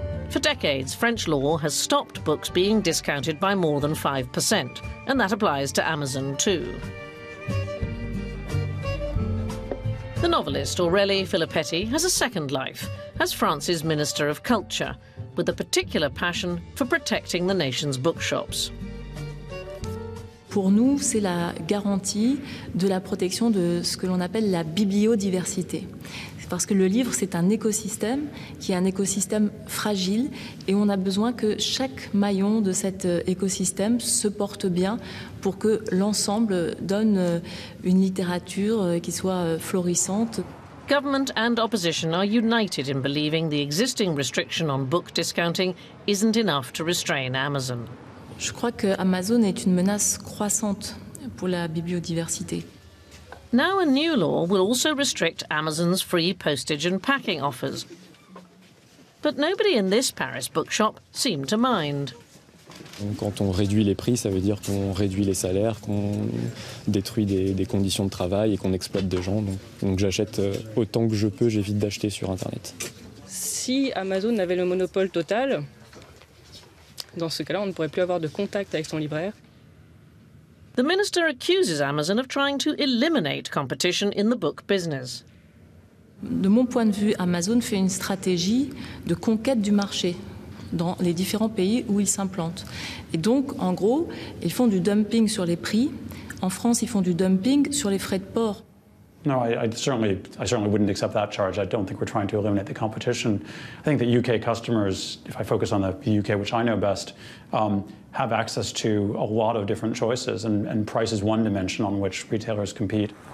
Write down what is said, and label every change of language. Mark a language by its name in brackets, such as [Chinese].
[English] For decades, French law has stopped books being discounted by more than 5%, and that applies to Amazon too. The novelist Aurélie Filippetti has a second life as France's Minister of Culture, with a particular passion for protecting the nation's bookshops. [French] Pour nous, c'est la garantie de la protection de ce que l'on appelle la bibliodiversité. Parce que le livre, c'est un écosystème qui est un écosystème fragile et on a besoin que chaque maillon de cet écosystème se porte bien pour que l'ensemble donne une littérature qui soit florissante. [English] Government and opposition are united in believing the existing restriction on book discounting isn't enough to restrain Amazon. [French] Je crois que Amazon est une menace croissante pour la bibliodiversité. [English] Now a new law will also restrict Amazon's free postage and packing offers. But nobody in this Paris bookshop seemed to mind. [French] Quand on réduit les prix, ça veut dire qu'on réduit les salaires, qu'on détruit des conditions de travail et qu'on exploite des gens. Donc j'achète autant que je peux, j'évite d'acheter sur Internet. Si Amazon avait le monopole total, dans ce cas-là, on ne pourrait plus avoir de contact avec son libraire. [English] The minister accuses Amazon of trying to eliminate competition in the book business. [French] De mon point de vue, Amazon fait une stratégie de conquête du marché dans les différents pays où ils s'implantent. Et donc, en gros, ils font du dumping sur les prix. En France, ils font du dumping sur les frais de port. [English] No, I certainly wouldn't accept that charge. I don't think we're trying to eliminate the competition. I think that UK customers, if I focus on the UK, which I know best, have access to a lot of different choices, and price is one dimension on which retailers compete.